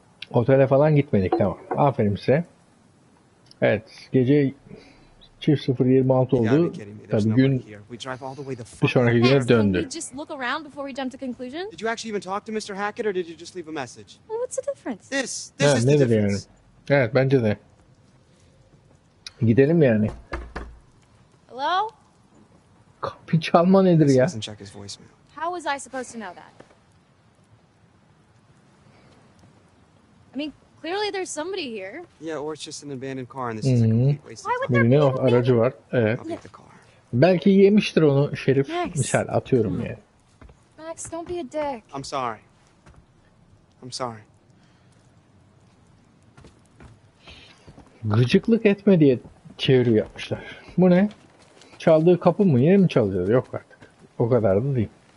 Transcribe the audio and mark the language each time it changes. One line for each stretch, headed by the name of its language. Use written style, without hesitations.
Turkish: Otele falan gitmedik, tamam. Aferin size. Evet, gece 0:26 oldu. Tabii gün bir sonraki güne döndü.
English: Did you just look around before we jumped to conclusions? Did you actually even talk to Mr. Hackett or did you just leave a message? Well, what's the difference? This is the difference.
Turkish: Yani. Evet, bence de. Gidelim yani.
English: Hello?
Turkish: Kapı çalma nedir ya?
English: How was I supposed to know that? I mean, clearly there's somebody here. Yeah, or it's just an abandoned car and this is a complete waste. Why would there be
Turkish: aracı var? Evet. Belki yemiştir onu şerif. Misal atıyorum ya.
English: Max, don't be a dick. I'm sorry. I'm sorry.
Turkish: Gıcıklık etme diye çeviri yapmışlar. Bu ne? Çaldığı kapı mı? Yine mi çalacağız? Yok artık. O kadar da değil.